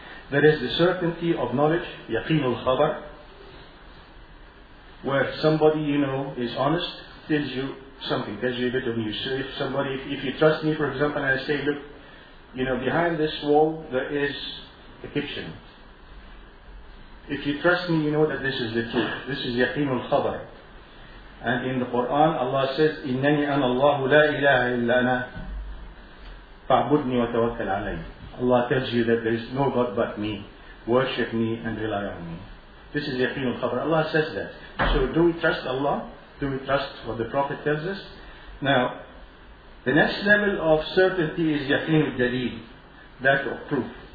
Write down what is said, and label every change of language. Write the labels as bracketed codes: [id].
[en] There is the certainty of knowledge, yaqeen al-khabar, where somebody you know is honest, tells you something, tells you a bit of news. So if somebody, if you trust me, for example, and I say, look, you know, behind this wall there is a kitchen. If you trust me, you know that this is the truth. This is yaqeen al-khabar. And in the Quran, Allah says, [ar] إِنَّنِي أَنَ اللَّهُ لَا إِلَهَ إِلَّا أَنَا فَاعْبُدْنِي وَتَوَكَّلْ عَلَيْهِ. [en] Allah tells you that there is no God but me. Worship me and rely on me. This is yaqeen al-khabar. Allah says that. So do we trust Allah? Do we trust what the Prophet tells us? Now, the next level of certainty is yaqeen al-dalil, that of proof.